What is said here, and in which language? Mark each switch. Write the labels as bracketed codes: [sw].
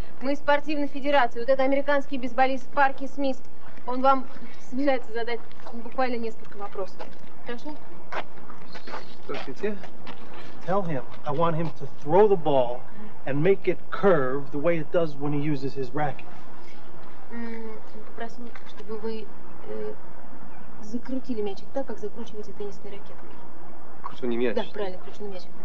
[ru] Мы из спортивной федерации. Вот этот американский бейсболист Парки Смит, он вам собирается задать буквально несколько вопросов. Хорошо? Спросите. [en] Tell him I want him to throw the ball and make it curve the way it does when he uses his racket. [ru] Попросим, чтобы вы закрутили мячик так, как закручиваете теннисные ракеты. Крученый мяч? Да, правильно, крученый мяч.